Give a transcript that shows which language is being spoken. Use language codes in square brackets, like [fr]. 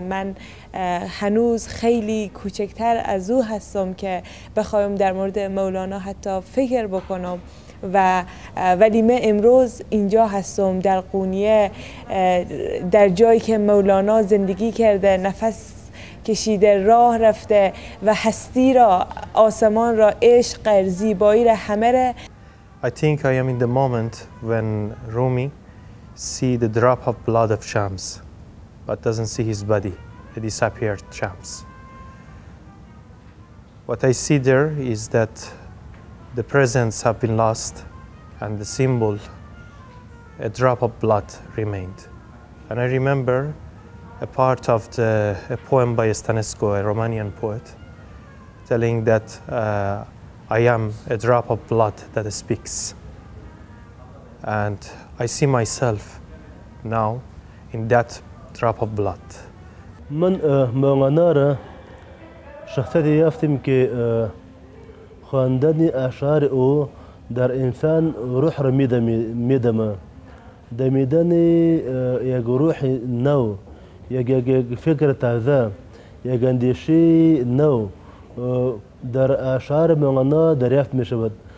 [fa] من هنوز خیلی کوچکتر از او هستم که بخوایم در مورد مولانا حتی فکر بکنم. و ولی من امروز اینجا هستم در قونیه، در جایی که مولانا زندگی کرده، نفس کشیده، راه رفته و هستی را، آسمان را، عشق را، زیبایی را، همه را. [en] I think I am in the moment when Rumi see the drop of blood of Shams, but doesn't see his body, the disappeared Shams. What I see there is that the presence have been lost and the symbol, a drop of blood, remained. And I remember a part of a poem by Stanescu, a Romanian poet, telling that I am a drop of blood that speaks. And I see myself now in that drop of blood. [fa] من مولانا را شخصیتی یافتم که خواندن اشعار او در انسان روح را می‌دمه. دمیدن یک روح نو، یک فکر تازه، یک اندیشه نو در اشعار مولانا دریافت می شود.